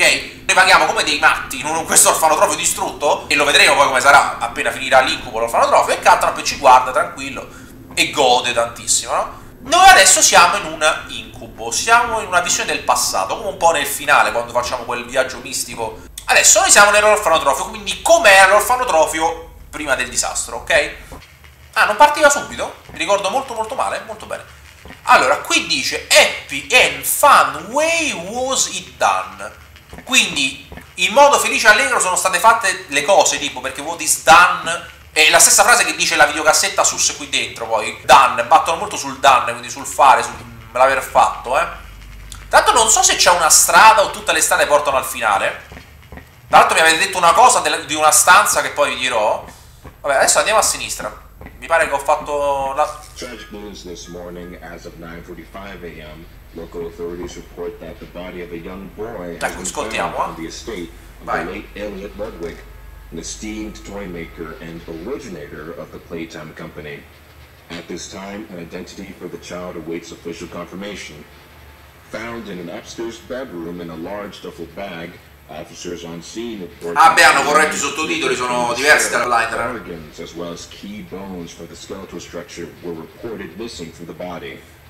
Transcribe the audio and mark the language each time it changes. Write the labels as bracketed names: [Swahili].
[Italian] Noi paghiamo come dei matti in questo orfanotrofio distrutto, e lo vedremo poi come sarà appena finirà l'incubo l'orfanotrofio, e Catrap ci guarda tranquillo e gode tantissimo, no? Noi adesso siamo in un incubo, siamo in una visione del passato, come un po' nel finale quando facciamo quel viaggio mistico. Adesso noi siamo nell'orfanotrofio, quindi com'era l'orfanotrofio prima del disastro, ok? Ah, non partiva subito? Mi ricordo molto molto male, molto bene. Allora, qui dice, [English] happy and fun way was it done. [Italian] Quindi, in modo felice e allegro sono state fatte le cose, tipo, perché [English] what is done... [Italian] È la stessa frase che dice la videocassetta sus qui dentro, poi. Done, battono molto sul done, quindi sul fare, sull'aver fatto, Tanto non so se c'è una strada o tutte le strade portano al finale. Tra l'altro mi avete detto una cosa di una stanza che poi vi dirò. Vabbè, adesso andiamo a sinistra. Mi pare che ho fatto la... [English] Tragic news this morning, as of 9:45 a.m. Local authorities report that the body of a young boy has been found on the estate of the late Elliot Ludwig, an esteemed toy maker and originator of the Playtime Company. At this time, an identity for the child awaits official confirmation. Found in an upstairs bedroom in a large duffel bag, officers on scene report... [Italian] Ah beh, hanno corretto i sottotitoli, sono diversi dalla lettera. [English] Organs as well as key bones for the skeletal structure were reported missing from the body.